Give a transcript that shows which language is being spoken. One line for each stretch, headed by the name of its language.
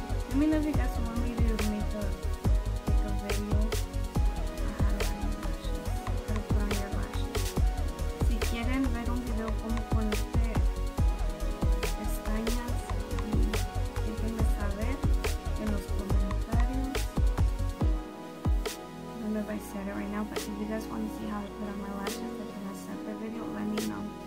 English: Let me know if you guys want me to make a video on how to line your lashes. How to put on your lashes.
Spanish: Si quieren ver un video como ponerte pestañas, déjenme saber en los comentarios.
English: I don't know if I said it right now, but if you guys want to see how to put on my lashes, if you guys set the video, let me know.